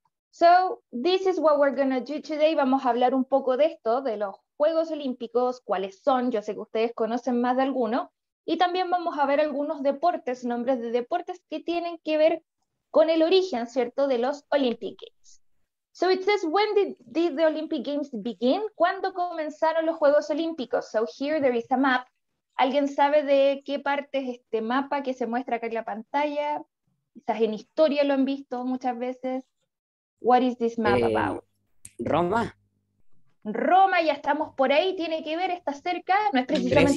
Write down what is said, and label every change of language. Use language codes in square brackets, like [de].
[en] So, this is what we're going to do today. [es] Vamos a hablar un poco de esto, de los Juegos Olímpicos, cuáles son. Yo sé que ustedes conocen más de alguno. Y también vamos a ver algunos deportes, nombres de deportes que tienen que ver con el origen, ¿cierto?, de los Olympic Games. [en] So it says, when did the Olympic Games begin? [es] ¿Cuándo comenzaron los Juegos Olímpicos? [en] So here there is a map. [es] ¿Alguien sabe de qué parte es este mapa que se muestra acá en la pantalla? Quizás en historia lo han visto muchas veces. [en] What is this map about? [es] Roma. Roma, ya estamos por ahí, tiene que ver, está cerca, no es precisamente